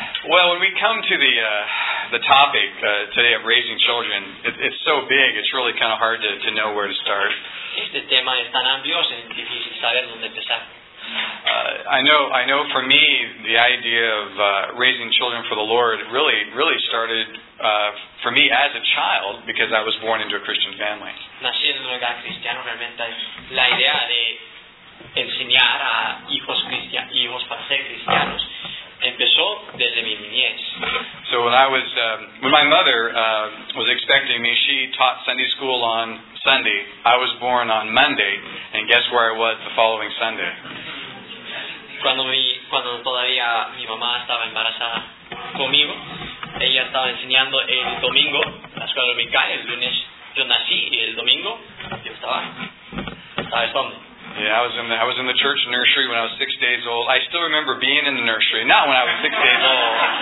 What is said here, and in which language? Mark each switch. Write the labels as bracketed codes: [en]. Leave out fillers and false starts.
[en] Well, when we come to the topic today of raising children, it's so big, it's really kind of hard to know where to start. [es] Este tema es tan amplio, es difícil saber dónde empezar. [en] I know for me, the idea of raising children for the Lord really, really started for me as a child, because I was born into a Christian family. [es] Nací en un hogar cristiano, realmente la idea de enseñar a hijos para ser cristianos empezó desde mi niñez. [en] So when I was, when my mother was expecting me, she taught Sunday school on Sunday. I was born on Monday, and guess where I was the following Sunday? [es] Cuando todavía mi mamá estaba embarazada conmigo, ella estaba enseñando el domingo, la escuela dominical, el lunes yo nací, y el domingo yo estaba estudiando. [en] Yeah, I was in the church nursery when I was 6 days old. I still remember being in the nursery, not when I was 6 days old.